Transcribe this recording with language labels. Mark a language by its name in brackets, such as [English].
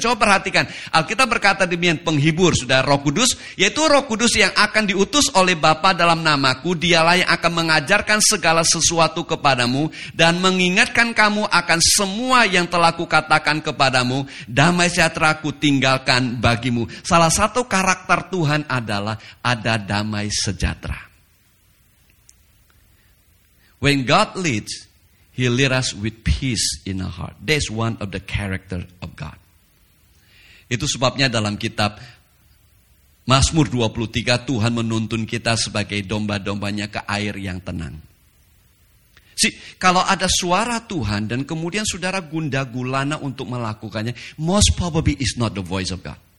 [Indonesian] Coba perhatikan, Alkitab berkata demikian, penghibur, saudara, Roh Kudus, yaitu Roh Kudus yang akan diutus oleh Bapa dalam namaku, Dialah yang akan mengajarkan segala sesuatu kepadamu dan mengingatkan kamu akan semua yang telah kukatakan kepadamu. Damai sejahtera ku tinggalkan bagimu. Salah satu karakter Tuhan adalah ada damai sejahtera. [English] When God leads, He leads us with peace in our heart. That's one of the character of God. [Indonesian] Itu sebabnya dalam kitab Mazmur 23, Tuhan menuntun kita sebagai domba-dombanya ke air yang tenang. Si, kalau ada suara Tuhan dan kemudian saudara gundah gulana untuk melakukannya, [English] most probably is not the voice of God.